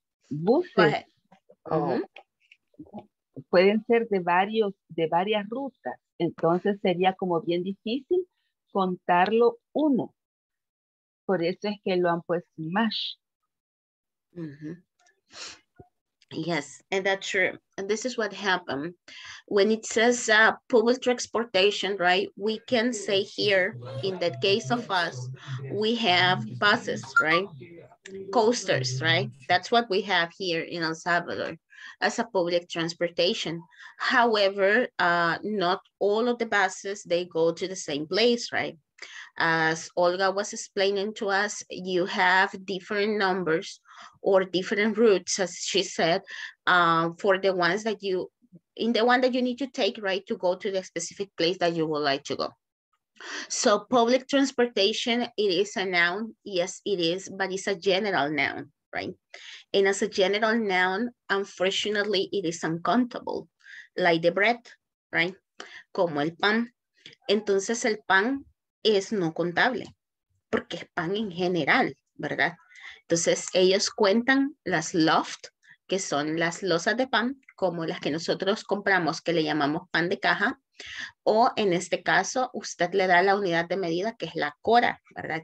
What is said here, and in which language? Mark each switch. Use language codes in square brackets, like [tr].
[es] buses pueden ser de varias rutas, entonces sería como bien difícil contarlo uno, por eso es que lo han puesto más. Mm-hmm. [en] Yes, and that's true, and this is what happened when it says public transportation, right? We can say here in that case of us, we have buses, right? Coasters, right? That's what we have here in El Salvador as a public transportation. However, not all of the buses, they go to the same place, right? As Olga was explaining to us, you have different numbers or different routes, as she said, for the ones that you, in the one that you need to take, right, to go to the specific place that you would like to go. So public transportation, it is a noun. Yes, it is, but it's a general noun, right? And as a general noun, unfortunately, it is uncountable, like the bread, right? [es] Como el pan. Entonces el pan es no contable, porque es pan en general, ¿verdad? Entonces ellos cuentan las loaves, que son las losas de pan, como las que nosotros compramos, que le llamamos pan de caja, o en este caso, usted le da la unidad de medida que es la cora, ¿verdad?